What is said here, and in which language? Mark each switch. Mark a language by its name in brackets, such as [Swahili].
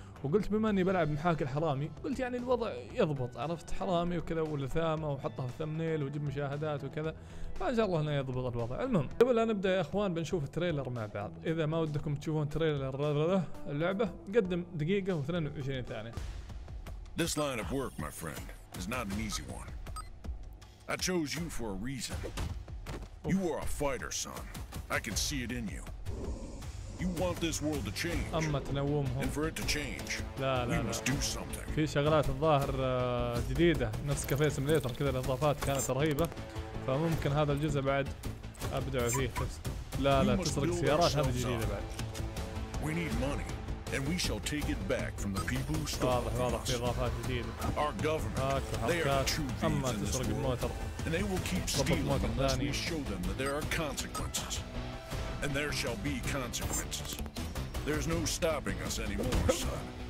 [Arabic] وقلت بما اني بلعب محاكي الحرامي قلت يعني الوضع يضبط، عرفت حرامي وكذا ولثامه وحطها في الثمنيل وجيب مشاهدات وكذا، فان شاء الله هنا يضبط الوضع. المهم قبل لا نبدا يا اخوان بنشوف التريلر مع بعض، اذا ما ودكم تشوفون تريلر اللعبه قدم دقيقه و22 ثانيه. [English] This line of work my friend is not an easy one. I chose you for a reason. You are a fighter son. I can see it in you. You want this world to change. [Arabic] أما تنومهم. [English] And for it to change, [Arabic] لا لا [English] we must do something. [Arabic] في شغلات الظاهر جديدة نفس كافيه سيميليتر كذا، الإضافات كانت رهيبة، فممكن هذا الجزء بعد أبدع فيه. لا لا تسرق سيارات هذه جديدة بعد. [English] We need money, and we shall take it back from the people who stole it. [Arabic] واضح في إضافات جديدة. [English] Our government. [Arabic] أما تسرق الموتر. [English] And they will keep stealing unless we show them that there are consequences. And there shall be consequences. There's no stopping us anymore, son.